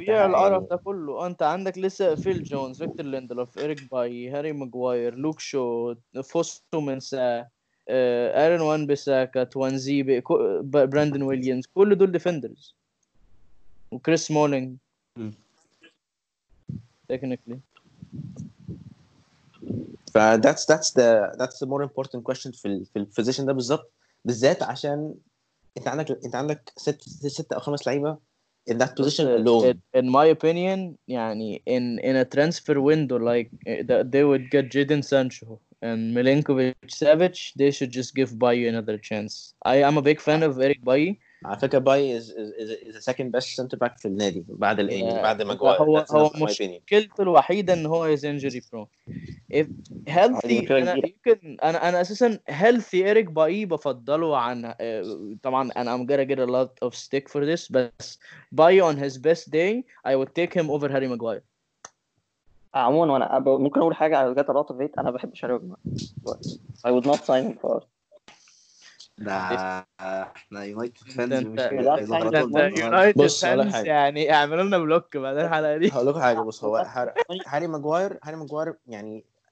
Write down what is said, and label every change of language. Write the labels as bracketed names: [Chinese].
[Arabic] يعني القرف ده كله انت عندك لسه فيل جونز فيكتور ليندلوف اريك باي هاري ماجواير لوك شو فوستو منسا ايرن وان بيساكا توانزي براندن ويليامز كل دول ديفندرز وكريس مولينج تكنيكلي ف [English] that's the more important question [Arabic] في البوزيشن ده بالذات عشان انت عندك 6 او 5 لعيبه [English] in that position alone in my opinion [Arabic] يعني [English] in a transfer window like that they would get Jadon Sancho and Milinkovic Savic they should just give Bailly another chance I'm a big fan of Eric Bailly I think Bailly is the second best center back [Arabic] في النادي بعد الايه بعد ماجواير هو مشكلته الوحيده ان هو [English] is injury prone if healthy [Arabic] انا اساسا [English] healthy Eric Bailly [Arabic] بفضله عن طبعا [English] I'm gonna get a lot of stick for this but Bailly on his best day I would take him over Harry Maguire [Arabic] عموما وانا ممكن اقول حاجه على جات الرات فيت انا بحب شاري ماجواير [English] I would not sign him for [Arabic] يعني اعملوا لنا بلوك بعدين الحلقه دي هقول لكم حاجه بص هو هاري ماجواير يعني